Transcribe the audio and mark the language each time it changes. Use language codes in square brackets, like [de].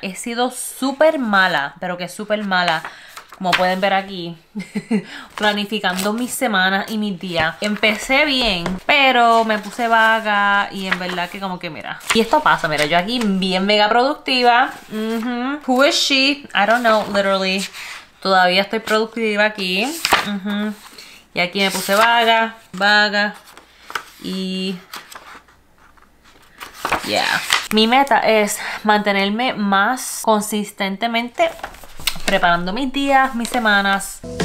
[es] He sido súper mala, pero que súper mala, como pueden ver aquí, planificando mis semanas y mis días. Empecé bien, pero me puse vaga y en verdad que como que mira. Y esto pasa, mira, yo aquí bien mega productiva. Uh-huh. [en] Who is she? I don't know, literally. [es] Todavía estoy productiva aquí. Uh-huh. Y aquí me puse vaga. Y... yeah. Mi meta es mantenerme más consistentemente preparando mis días, mis semanas.